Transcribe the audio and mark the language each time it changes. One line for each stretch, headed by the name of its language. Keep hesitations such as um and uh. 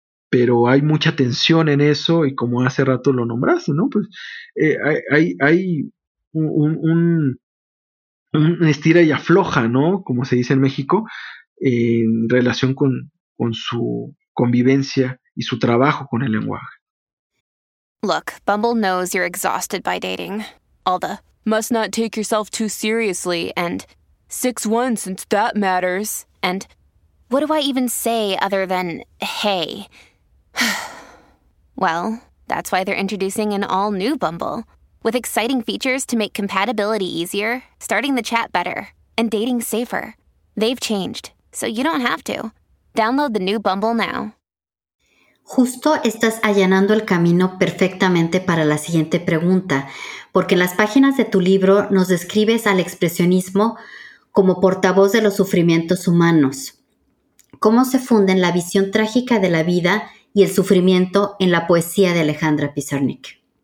Spanish: Pero hay mucha tensión en eso y como hace rato lo nombraste, ¿no? Pues eh, hay, hay un, un, un, estira y afloja, ¿no? Como se dice en México, eh, en relación con, con su convivencia y su trabajo con el lenguaje.
English: Look, Bumble knows you're exhausted by dating. All the must not take yourself too seriously and 6 1 since that matters. And what do I even say other than hey? well, that's why they're introducing an all new Bumble with exciting features to make compatibility easier, starting the chat better, and dating safer. They've changed, so you don't have to. Download the new Bumble now.
Spanish: justo estás allanando el camino perfectamente para la siguiente pregunta, porque en las páginas de tu libro nos describes al expresionismo como portavoz de los sufrimientos humanos. ¿Cómo se funden la visión trágica de la vida y el sufrimiento en la poesía de Alejandra Pizarnik?